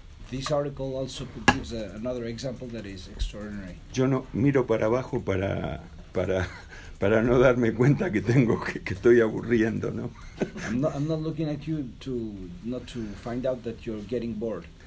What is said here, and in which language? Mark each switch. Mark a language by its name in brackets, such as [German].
[English] This article also gives another example that is extraordinary. [Spanish] Yo no miro para abajo para no darme cuenta que estoy aburriendo, ¿no? [English] I'm not looking at you to find out that you're getting bored.